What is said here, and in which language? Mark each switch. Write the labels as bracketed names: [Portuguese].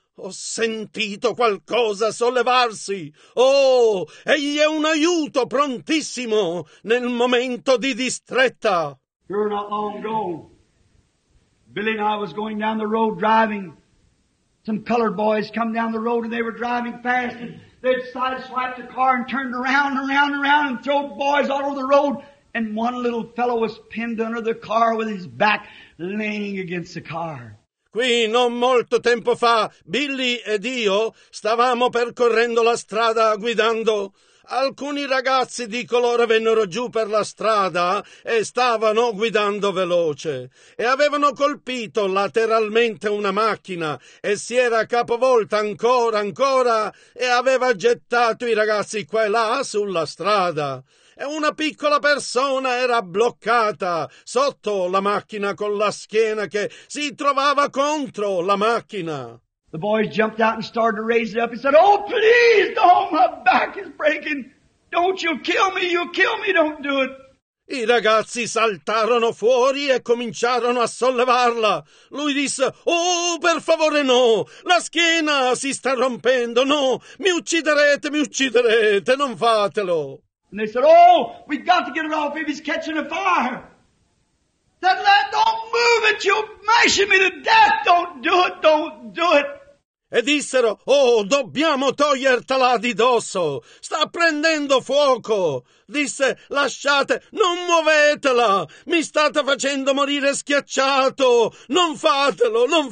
[Italian] Ho sentito qualcosa sollevarsi. Oh, egli è un aiuto prontissimo nel momento di distretta. [English] You're not long gone. Billy and I was going down the road driving. Some colored boys come down the road and they were driving fast and they'd sideswipe the car and turned around and around and around and throw boys all over the road. And one little fellow was pinned under the car with his back leaning against the car. [Italian] Qui non molto tempo fa, Billy ed io stavamo percorrendo la strada guidando. Alcuni ragazzi di colore vennero giù per la strada e stavano guidando veloce e avevano colpito lateralmente una macchina e si era capovolta ancora e aveva gettato i ragazzi qua e là sulla strada. E una piccola persona era bloccata sotto la macchina con la schiena che si trovava contro la macchina. [English] The boys jumped out and started to raise it up. He said, "Oh, please don't, my back is breaking. Don't you kill me, don't do it." [Italian] I ragazzi saltarono fuori e cominciarono a sollevarla. Lui disse, "Oh, per favore no, la schiena si sta rompendo, no, mi ucciderete, non fatelo." [English] And they said, "Oh, we've got to get it off if he's catching a fire." That lad, "Don't move it, you're mashing me to death, don't do it. [Italian] E dissero, "Oh, dobbiamo togliertela di dosso, sta prendendo fuoco." Disse, "Lasciate, non muovetela, mi state facendo morire schiacciato, non fatelo.